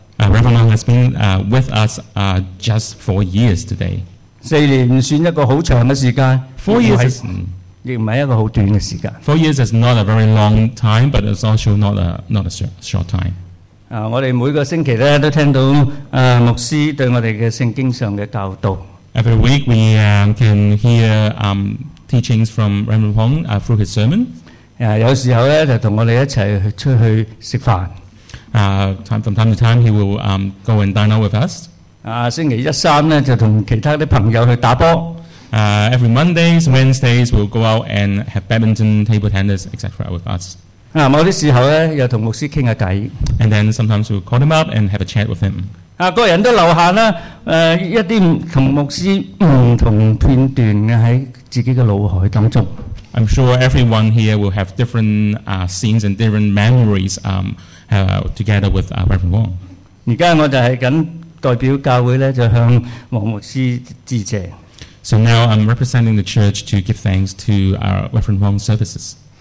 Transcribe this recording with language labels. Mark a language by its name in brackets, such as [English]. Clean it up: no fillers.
[English] Reverend Wong has been with us just 4 years today. [Cantonese] 四年算一個好長嘅時間。 [English] Four years is not a very long time, but it's also not a short time. [Cantonese] 我哋每個星期咧都聽到牧師對我哋嘅聖經上嘅教導。 [English] Every week we can hear teachings from Reverend Wong through his sermon. [Cantonese] 有時候咧就同我哋一齊出去食飯。 [English] From time to time, he will go and dine out with us. [Cantonese] 星期一三咧就同其他啲朋友去打波。 [English] Every Mondays, Wednesdays, we'll go out and have badminton, table tennis, etc. with us. [Cantonese] 某啲時候咧，又同牧師傾下偈。 [English] And then sometimes we'll call him up and have a chat with him. [Cantonese] 個人都留下啦，一啲同牧師唔同片段喺自己嘅腦海當中。 [English] I'm sure everyone here will have different scenes and different memories together with Reverend Wong. [Cantonese] 而家我就係緊代表教會咧，就向黃牧師致謝。 [English] So now I'm representing the church to give thanks to our Reverend Wong services.